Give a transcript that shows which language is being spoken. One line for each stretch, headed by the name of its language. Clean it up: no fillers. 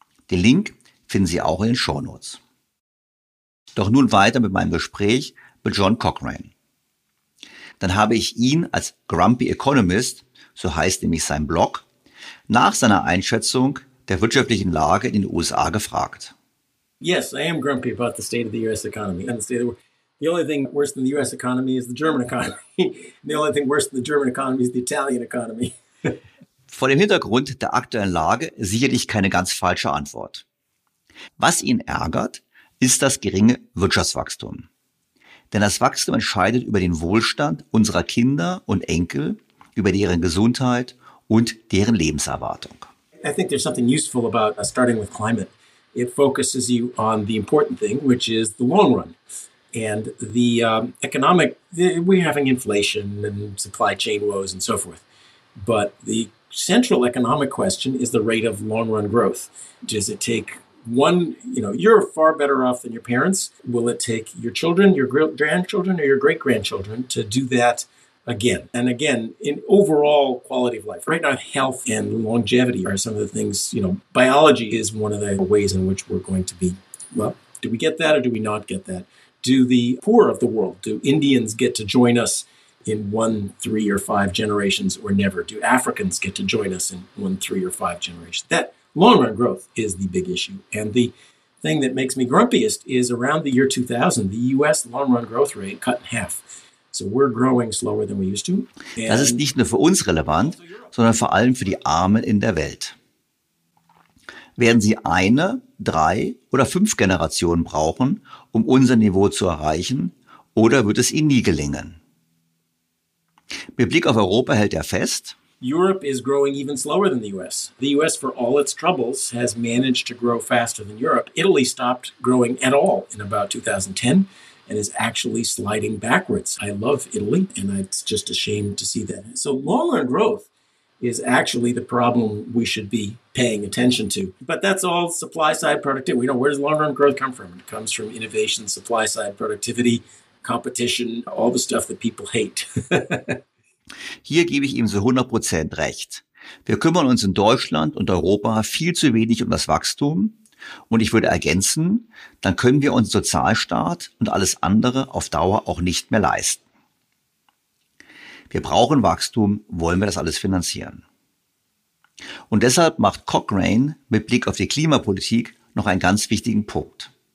German: Den Link finden Sie auch in den Shownotes. Doch nun weiter mit meinem Gespräch mit John Cochrane. Dann habe ich ihn als Grumpy Economist, so heißt nämlich sein Blog, nach seiner Einschätzung der wirtschaftlichen Lage in den USA gefragt.
English: Yes, I am grumpy about the state of the U.S. economy and the state of the world. The only thing worse than the U.S. economy is the German economy. The only thing worse than the German economy is the Italian economy.
German: Vor dem Hintergrund der aktuellen Lage sicherlich keine ganz falsche Antwort. Was ihn ärgert, ist das geringe Wirtschaftswachstum. Denn das Wachstum entscheidet über den Wohlstand unserer Kinder und Enkel, über deren Gesundheit und deren Lebenserwartung.
English: I think there's something useful about starting with climate. It focuses you on the important thing, which is the long run. And the economic, we're having inflation and supply chain woes and so forth. But the central economic question is the rate of long-run growth. Does it take one, you know, you're far better off than your parents. Will it take your children, your grandchildren, or your great-grandchildren to do that again? And again, in overall quality of life, right now, health and longevity are some of the things, you know, biology is one of the ways in which we're going to be, well, do we get that or do we not get that? Do the poor of the world, do Indians get to join us in 1, 3, or 5 generations or never? Do Africans get to join us in 1, 3, or 5 generations? That long-run growth is the big issue. And the thing that makes me grumpiest is around the year 2000, the U.S. long-run growth rate cut in half. So we're growing slower than we used to.
German: Das ist nicht nur für uns relevant, sondern vor allem für die Armen in der Welt. Werden sie 1, 3 oder 5 Generationen brauchen, um unser Niveau zu erreichen, oder wird es ihnen nie gelingen? Mit Blick auf Europa hält er fest,
English: Europe is growing even slower than the US. The US, for all its troubles, has managed to grow faster than Europe. Italy stopped growing at all in about 2010 and is actually sliding backwards. I love Italy, and it's just a shame to see that. So long-run growth is actually the problem we should be paying attention to. But that's all supply-side productivity. We know, where does long-run growth come from? It comes from innovation, supply-side productivity, competition, all the stuff that people hate.
German: Hier gebe ich ihm so 100% recht. Wir kümmern uns in Deutschland und Europa viel zu wenig um das Wachstum. Und ich würde ergänzen, dann können wir uns Sozialstaat und alles andere auf Dauer auch nicht mehr leisten. Wir brauchen Wachstum, wollen wir das alles finanzieren. Und deshalb macht Cochrane mit Blick auf die Klimapolitik noch einen ganz wichtigen Punkt.